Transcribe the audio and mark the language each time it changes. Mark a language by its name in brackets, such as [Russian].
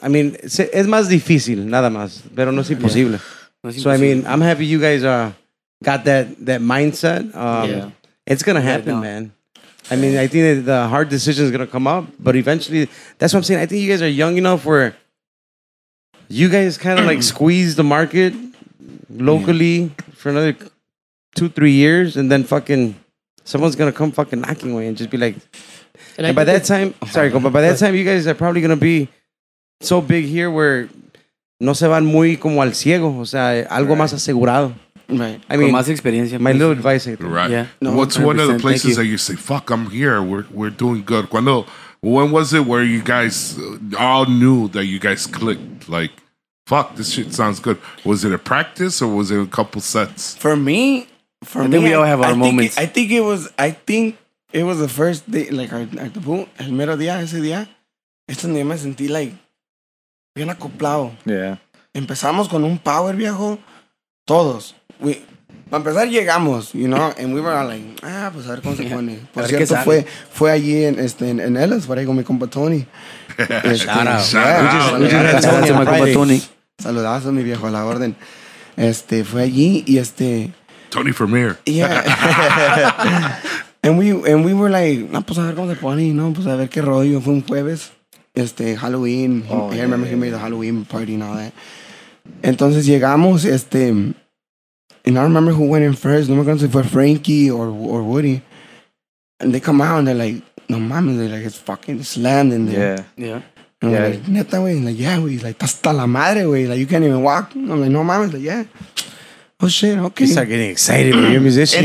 [Spanish] I mean, es más difícil, nada más, pero no es imposible. [English] Yeah. So, I mean, I'm happy you guys got that mindset. It's going to happen, man. I mean, I think that the hard decision is going to come up. But eventually, that's what I'm saying. I think you guys are young enough where you guys kind of like squeeze the market locally for another 2-3 years. And then fucking someone's going to come fucking knocking away and just be like. And by that time, you guys are probably going to be so big here where. [Spanish] No se van muy como al ciego, o sea, algo más asegurado. [English] Right. I mean, [Spanish] con más experiencia. [English] My little advice. Right. Yeah. No, what's one of the places that you say, fuck, I'm here, we're doing good? When was it where you guys all knew that you guys clicked? Like, fuck, this shit sounds good. Was it a practice or was it a couple sets? For me, I think we all have our moments. I think it was the first day, [Spanish] like, el mero día, ese día, es donde me sentí, like, bien acoplado. [English] Yeah. [Spanish] Empezamos con un power, viejo. Todos. Para empezar, llegamos, you know, [English] and we were all like, [Spanish] pues a ver cómo se pone. Por cierto, fue allí en Ellis, por ahí con mi compa Tony. [English] Shout out. [Spanish] Saludazo, mi viejo, a la orden. Fue allí y [English] Tony from here. Yeah. and we were like, [Spanish] pues a ver cómo se pone, [English] you know, [Spanish] pues a ver qué rollo. Fue un jueves. [English] Halloween. I remember he made a Halloween party and all that. [Spanish] Entonces llegamos, [English] and I don't remember who went in first. [Spanish] No me acuerdo si fue Frankie or Woody. [English] And they come out and they're like, no mames, they're like, it's fucking slammed in there. Yeah. And we're like, neta, wey. Like, yeah, wey. Like, [Spanish] hasta la madre, [English] wey. Like, you can't even walk. And I'm like, no mames. Like, yeah. Oh shit, okay. You start getting excited when you're a musician.